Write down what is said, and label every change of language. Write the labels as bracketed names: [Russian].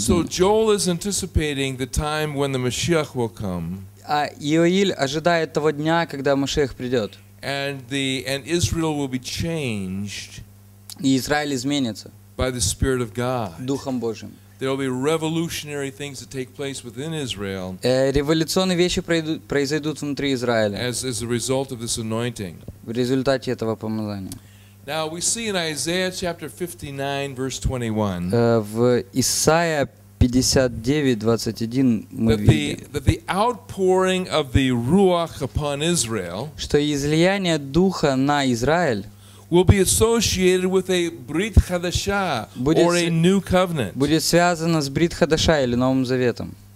[English] So Joel is anticipating the time when the Mashiach will come. [Russian] А Иоиль ожидает того дня, когда Машиах придет. [English] And Israel will be changed. [Russian] И Израиль изменится. [English] By the Spirit of God. [Russian] Духом Божьим. [English] There will be revolutionary things that take place within Israel. [Russian] Революционные вещи произойдут внутри Израиля. [English] As a result of this anointing. [Russian] В результате этого помазания. [English] Now we see in Isaiah chapter 59 verse 21. [Russian] В Исаия 59:21 мы видим, что излияние Духа на Израиль будет связано с Брит Хадаша или Новым Заветом.